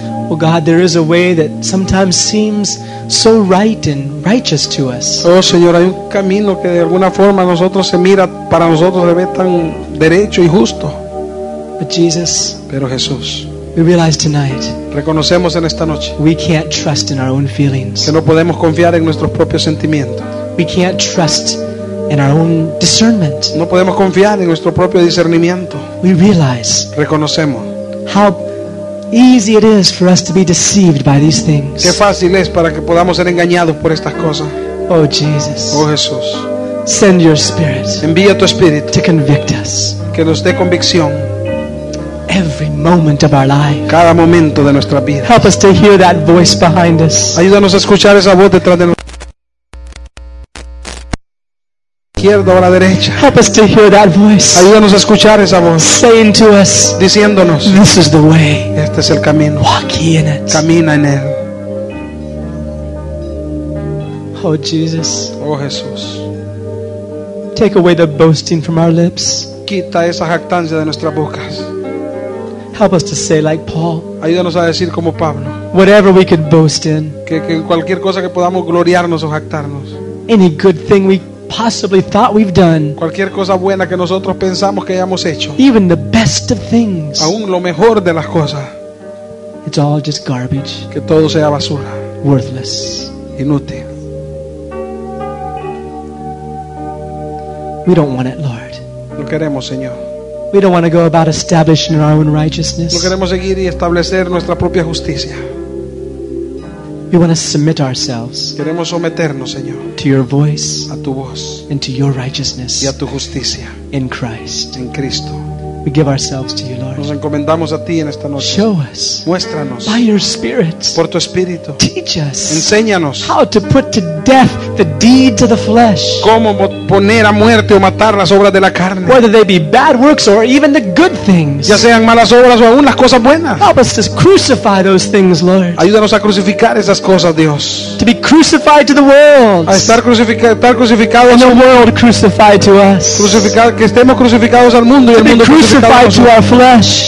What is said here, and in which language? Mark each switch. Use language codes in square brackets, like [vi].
[en] Oh God, there is a way that sometimes seems so right and righteous to us. [es] Oh Señor, hay un camino que de alguna forma nosotros se mira para nosotros se ve tan derecho y justo. [en] But Jesus. [es] Pero Jesús. [en] We realize tonight. [es] Reconocemos en esta noche. [en] We can't trust in our own feelings. [es] Que no podemos confiar en nuestros propios sentimientos. [en] We can't trust in our own discernment. [es] No podemos confiar en nuestro propio discernimiento. [en] We realize. [es] Reconocemos. [en] How easy it is for us to be deceived by these things. [es] Qué fácil es para que podamos ser engañados por estas cosas. [en] Oh Jesus. [es] Oh Jesús. [en] Send your spirit. [es] Envía tu espíritu. [en] To convict us. [es] Que nos dé convicción. [en] Every moment of our life. [es] Cada momento de nuestra vida. [en] Help us to hear that voice behind us. [es] Ayúdanos a escuchar esa voz detrás de nosotros. Izquierda o la derecha. [en] Help us to hear that voice. [es] Ayúdanos a escuchar esa voz. [en] Saying to us. [es] Diciéndonos. [en] This is the way. [es] Este es el camino. [en] Walk ye in it. [es] Camina en él. [en] Oh Jesus. [es] Oh Jesús. [en] Take away the boasting from our lips. [es] Quita esa jactancia de nuestras bocas. [en] Help us to say like Paul. [es] Ayúdanos a decir como Pablo. [en] Whatever we can boast in. [es] Que cualquier cosa que podamos gloriarnos o jactarnos. [en] Any good thing we possibly thought we've done. [es] Cualquier cosa buena que nosotros pensamos que hayamos hecho. [en] Even the best of things. [es] Aún lo mejor de las cosas. [en] It's all just garbage. [es] Que todo sea basura. [en] Worthless. [es] Inútil. [en] We don't want it, Lord. [es] No queremos, Señor. [en] We don't want to go about establishing our own righteousness. [es] No queremos seguir y establecer nuestra propia justicia. [en] We want to submit ourselves. [es] Queremos someternos, Señor. [en] To your voice. [es] A tu voz. [en] And to your righteousness. [es] Y a tu justicia. [en] In Christ. [es] En Cristo. [en] We give ourselves to you, Lord. [es] Nos encomendamos a ti en esta noche. [en] Show us. [es] Muéstranos. [en] By your spirit. [es] Por tu espíritu. [en] Teach us. [es] Enséñanos. [en] How to put to death the deeds of the flesh. [es] Cómo poner a muerte o matar las obras de la carne. [en] Whether they be bad works or even the good things. [es] Ya sean malas obras o aún las cosas buenas. [en] Help us to crucify those things, Lord. [es] Ayúdanos a crucificar esas cosas, Dios. [en] To be crucified to the world. [es] A estar crucificado [en] and [es] a [en] the world crucified to us. [es] Crucificado, que estemos crucificados al mundo y el mundo [en] crucified to our flesh.